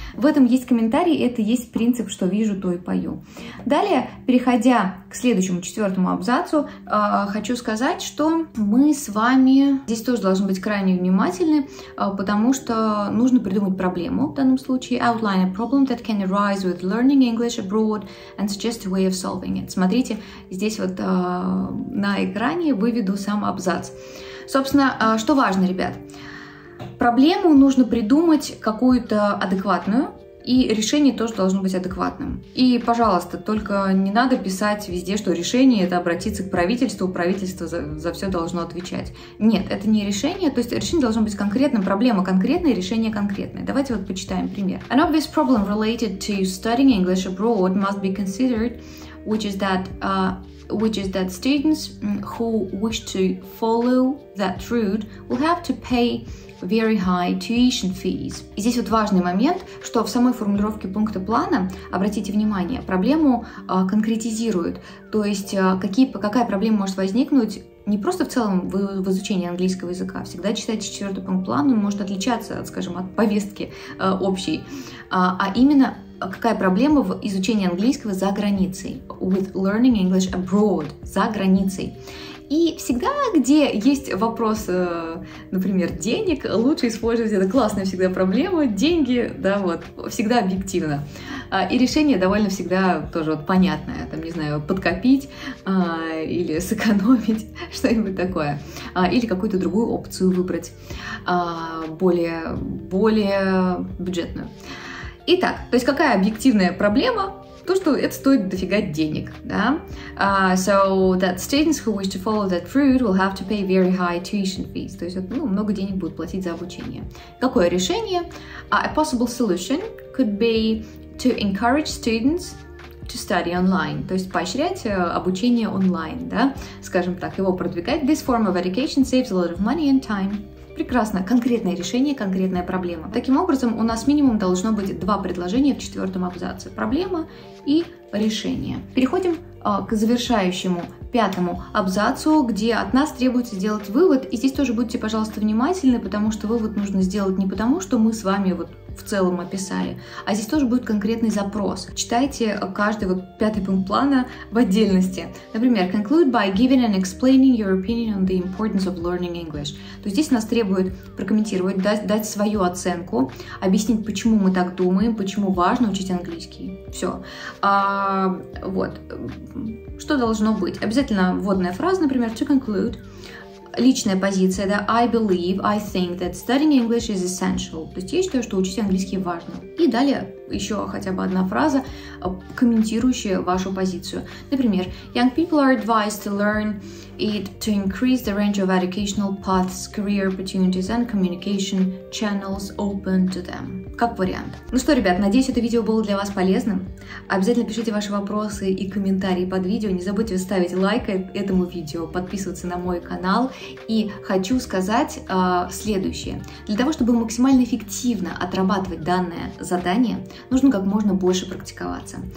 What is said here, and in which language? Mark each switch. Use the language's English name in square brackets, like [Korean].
[Russian] В этом есть комментарий, это есть принцип, что вижу, то и пою. Далее, переходя к следующему, четвертому абзацу, хочу сказать, что мы с вами здесь тоже должны быть крайне внимательны, потому что нужно придумать проблему в данном случае. [English] Outline a problem that can arise with learning English abroad and suggest a way of solving it. [Russian] Смотрите, здесь вот на экране выведу сам абзац. Собственно, что важно, ребят? Проблему нужно придумать какую-то адекватную, и решение тоже должно быть адекватным. И, пожалуйста, только не надо писать везде, что решение — это обратиться к правительству, правительство за все должно отвечать. Нет, это не решение, то есть решение должно быть конкретным, проблема конкретная, решение конкретное. Давайте вот почитаем пример. [English] An obvious problem related to studying English abroad must be considered, which is that students who wish to follow that route will have to pay very high tuition fees. [Russian] И здесь вот важный момент, что в самой формулировке пункта плана, обратите внимание, проблему конкретизируют. То есть какая проблема может возникнуть не просто в целом в изучении английского языка. Всегда читайте четвертый пункт плана, он может отличаться, скажем, от повестки общей. А именно, какая проблема в изучении английского за границей. [English] With learning English abroad. [Russian] За границей. И всегда, где есть вопрос, например, денег, лучше использовать, это классная всегда проблема, деньги, да, вот, всегда объективно. И решение довольно всегда тоже вот понятное, там, не знаю, подкопить или сэкономить, что-нибудь такое. Или какую-то другую опцию выбрать, более бюджетную. Итак, то есть какая объективная проблема? То, что это стоит дофига денег, да? [English] So that students who wish to follow that route will have to pay very high tuition fees. [Russian] То есть, ну, много денег будут платить за обучение. Какое решение? [English] A possible solution could be to encourage students to study online. [Russian] То есть поощрять обучение онлайн, да? Скажем так, его продвигать. [English] This form of education saves a lot of money and time. [Russian] Прекрасно. Конкретное решение, конкретная проблема. Таким образом, у нас минимум должно быть два предложения в четвертом абзаце. Проблема и решение. Переходим к завершающему пятому абзацу, где от нас требуется сделать вывод. И здесь тоже будьте, пожалуйста, внимательны, потому что вывод нужно сделать не потому, что мы с вами вот в целом описали, а здесь тоже будет конкретный запрос. Читайте каждый вот пятый пункт плана в отдельности. [English] Например, conclude by giving and explaining your opinion on the importance of learning English. [Russian] То есть здесь нас требует прокомментировать, дать свою оценку, объяснить, почему мы так думаем, почему важно учить английский. Все. Вот. Что должно быть? Обязательно вводная фраза, например, [English] to conclude. [Russian] Личная позиция, да, [English] I believe, I think that studying English is essential. [Russian] То есть я считаю, что учить английский важно. И далее еще хотя бы одна фраза, комментирующая вашу позицию. Например, [English] young people are advised to learn it to increase the range of educational paths, career opportunities and communication channels open to them. [Russian] Как вариант. Ну что, ребят, надеюсь, это видео было для вас полезным. Обязательно пишите ваши вопросы и комментарии под видео. Не забудьте ставить лайк этому видео, подписываться на мой канал. И хочу сказать следующее. Для того, чтобы максимально эффективно отрабатывать данное задание, нужно как можно больше практиковаться.